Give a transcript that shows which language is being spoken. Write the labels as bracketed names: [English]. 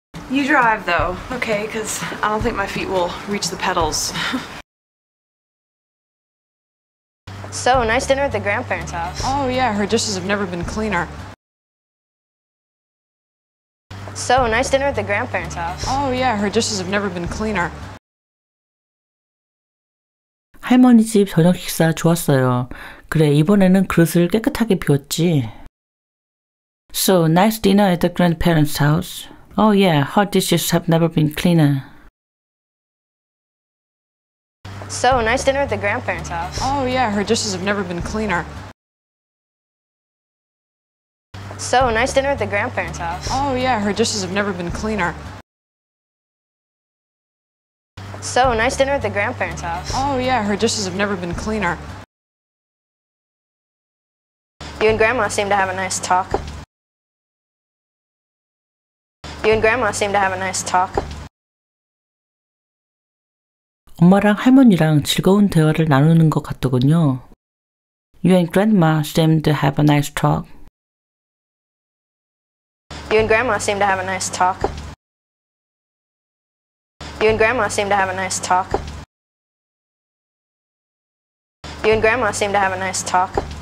[English] You drive, though, okay? Because I don't think my feet will reach the pedals. So, nice dinner at the grandparents' house. Oh, yeah, her dishes have never been cleaner. So, nice dinner at the grandparents' house. Oh, yeah, her dishes have never been cleaner. [Korean] 할머니 집 저녁 식사 좋았어요. 그래, 이번에는 그릇을 깨끗하게 비웠지. [English] So, nice dinner at the grandparents' house. Oh yeah, her dishes have never been cleaner. So, nice dinner at the grandparents' house. Oh yeah, her dishes have never been cleaner. So, nice dinner at the grandparents' house. Oh yeah, her dishes have never been cleaner. So, nice dinner at the grandparents' house. Oh yeah, her dishes have never been cleaner. You and grandma seem to have a nice talk. You and grandma seem to have a nice talk. [Korean] 엄마랑 할머니랑 즐거운 대화를 나누는 것 같더군요. [English] You and grandma seem to have a nice talk. You and grandma seem to have a nice talk. You and grandma seem to have a nice talk. You and grandma seem to have a nice talk.